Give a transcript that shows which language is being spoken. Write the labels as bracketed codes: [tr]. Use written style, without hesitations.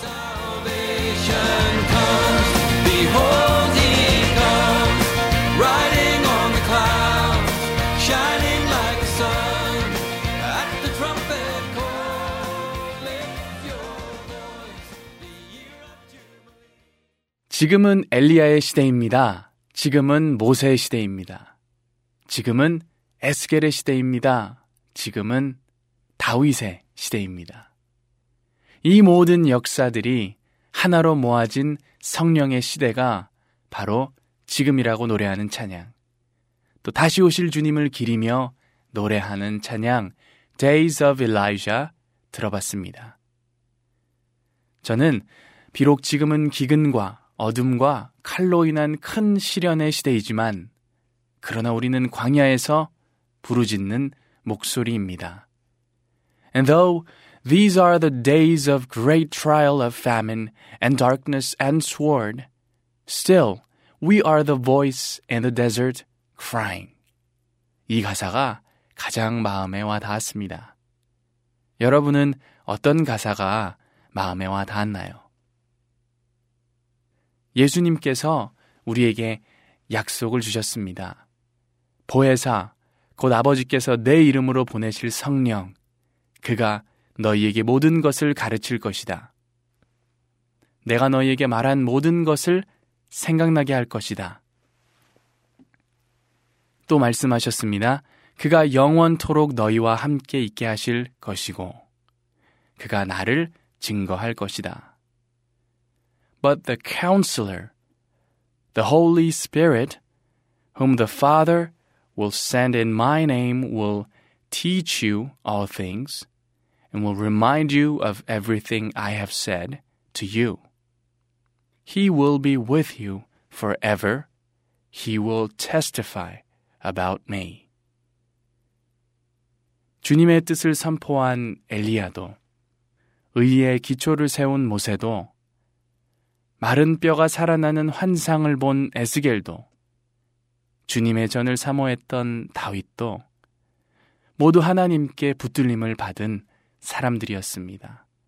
[en] Salvation comes, behold he comes, riding on the clouds, shining like the sun, at the trumpet call, lift your voice, the year of Jubilee. [ko] 지금은 엘리야의 시대입니다. 지금은 모세의 시대입니다. 지금은 에스겔의 시대입니다. 지금은 다윗의 시대입니다. 이 모든 역사들이 하나로 모아진 성령의 시대가 바로 지금이라고 노래하는 찬양, 또 다시 오실 주님을 기리며 노래하는 찬양 Days of Elijah 들어봤습니다. 저는 비록 지금은 기근과 어둠과 칼로 인한 큰 시련의 시대이지만 그러나 우리는 광야에서 부르짖는 목소리입니다. [en] And though these are the days of great trial of famine and darkness and sword, still we are the voice in the desert crying. [ko] 이 가사가 가장 마음에 와 닿았습니다. 여러분은 어떤 가사가 마음에 와 닿았나요? 예수님께서 우리에게 약속을 주셨습니다. 보혜사, 곧 아버지께서 내 이름으로 보내실 성령, 그가 너희에게 모든 것을 가르칠 것이다. 내가 너희에게 말한 모든 것을 생각나게 할 것이다. 또 말씀하셨습니다. 그가 영원토록 너희와 함께 있게 하실 것이고, 그가 나를 증거할 것이다. [en] But the counselor, the Holy Spirit, whom the Father will send in my name, will teach you all things, and will remind you of everything I have said to you. He will be with you forever. He will testify about me. [ko] 주님의 뜻을 선포한 엘리야도, 의의 기초를 세운 모세도, 마른 뼈가 살아나는 환상을 본 에스겔도, 주님의 전을 사모했던 다윗도 모두 하나님께 붙들림을 받은 사람들이었습니다.